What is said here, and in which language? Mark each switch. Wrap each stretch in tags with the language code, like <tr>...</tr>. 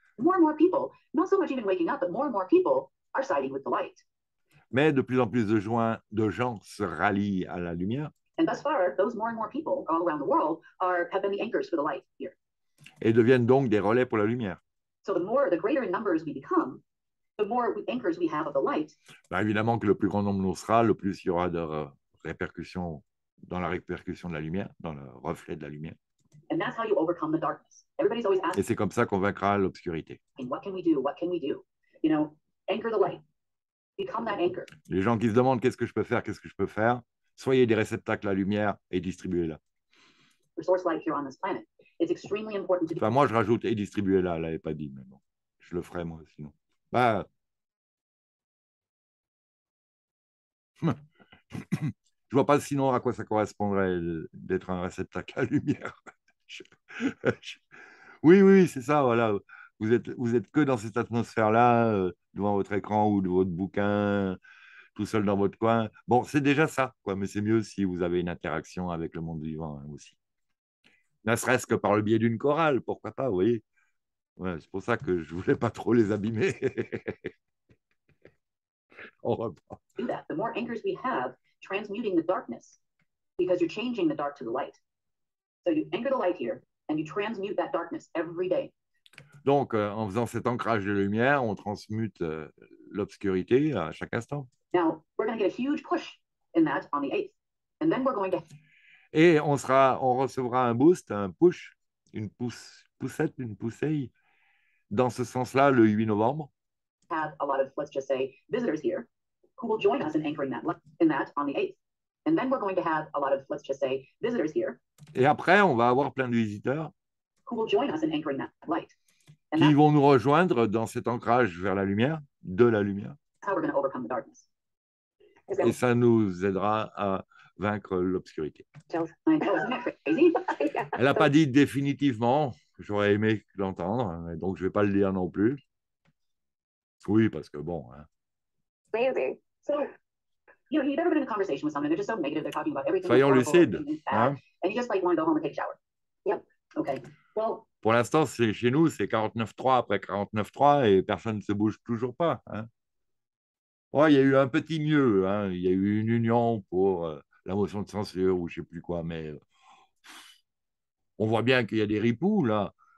<en>More and more people, not so much even waking up, but more and more people are siding with the light.</en> <fr>Mais de plus en plus de gens se rallient à la lumière.</fr> <en>And thus far, those more and more people all around the world have been the anchors for the light here.</en> <fr>Et deviennent donc des relais pour la lumière.</fr> <en>So the greater in numbers we become, the more anchors we have of the light.</en> <fr>Ben évidemment que le plus grand nombre nous sera, le plus il y aura de répercussions dans la répercussion de la lumière, dans le reflet de la lumière.</fr> <en>And that's how you overcome the darkness. Everybody's always asking.</en> <fr>Et c'est comme ça qu'on vaincra l'obscurité.</fr> <en>And what can we do? What can we do? You know, anchor the light. Become that anchor.</en> <fr>Les gens qui se demandent qu'est-ce que je peux faire, soyez des réceptacles à la lumière et distribuez-la.</fr> <en>Resource light here on this planet. It's extremely important to.</en> <fr>Enfin, moi, je rajoute et distribuez-la. Elle n'avait pas dit, mais bon, je le ferai moi, sinon. Bah. Je ne vois pas sinon à quoi ça correspondrait d'être un réceptacle à la lumière. Oui, c'est ça, voilà. Vous êtes que dans cette atmosphère-là, devant votre écran ou de votre bouquin, tout seul dans votre coin. Bon, c'est déjà ça, quoi, mais c'est mieux si vous avez une interaction avec le monde vivant hein, aussi. Ne serait-ce que par le biais d'une chorale, pourquoi pas, vous voyez. Ouais, c'est pour ça que je ne voulais pas trop les abîmer. On reprend.</fr> <en>The more anchors we have, transmuting the darkness, because you're changing the dark to the light. So you anchor the light here, and you transmute that darkness every day.</en> <fr>Donc, en faisant cet ancrage de lumière, on transmute l'obscurité à chaque instant.</fr> <en>Now, we're going to get a huge push in that on the 8th. And then we're going to...</en> <fr>Et on recevra un boost, un push, une poussée, dans ce sens-là, le 8 novembre.</fr> <en>Have a lot of, let's just say, visitors here who will join us in anchoring that, in that on the 8th. And then we're going to have a lot of, let's just say, visitors here.</en> <fr>Et après, on va avoir plein de visiteurs</fr> <en>who will join us in anchoring that light.</en> <fr>And qui vont nous rejoindre dans cet ancrage vers la lumière, de la lumière.</fr> <en>How we're going to overcome the darkness.</en> <fr>Et ça nous aidera à vaincre l'obscurité. Elle n'a pas dit définitivement, j'aurais aimé l'entendre, donc je ne vais pas le dire non plus. Oui, parce que bon. Hein.</fr> <en>You know, you've never been in a conversation with someone, they're just so negative, they're talking about everything.</en> <fr>Soyons lucides. Hein?</fr> <en>And you just like want to go home and take a shower. Yep. Okay. Well,</en> <fr>pour l'instant, c'est chez nous, c'est 49.3 après 49.3 et personne ne se bouge toujours pas. Hein? Ouais, il y a eu un petit mieux. Hein? Il y a eu une union pour la motion de censure ou je ne sais plus quoi, mais on voit bien qu'il y a des ripoux, là.</fr>